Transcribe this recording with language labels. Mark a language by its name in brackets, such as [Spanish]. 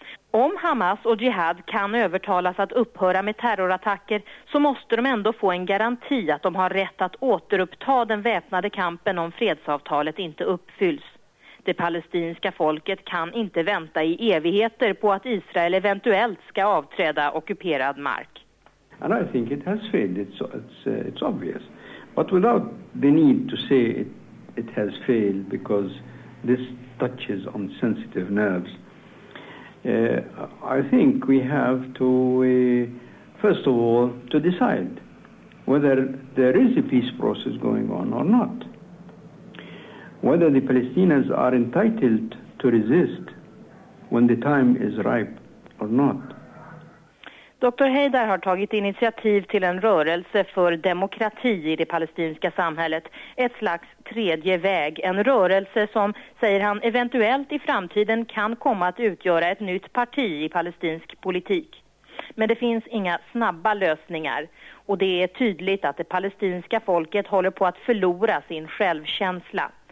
[Swedish] Om Hamas och Jihad kan övertalas att upphöra med terrorattacker så måste de ändå få en garanti att de har rätt att återuppta den väpnade kampen om fredsavtalet inte uppfylls. Det palestinska folket kan inte vänta i evigheter på att Israel eventuellt ska avträda ockuperad mark. [English] And I think it has failed. It's obvious. But without the need to say it has failed because this touches on sensitive nerves. I think we have to first of all to decide whether there is a peace process going on or not. Whether the Palestinians are entitled to resist when the time is ripe or not. [Swedish] Dr. Heydar har tagit initiativ till en rörelse för demokrati i det palestinska samhället. Ett slags tredje väg. En rörelse som, säger han, eventuellt i framtiden kan komma att utgöra ett nytt parti i palestinsk politik. Men det finns inga snabba lösningar. Och det är tydligt att det palestinska folket håller på att förlora sin självkänsla.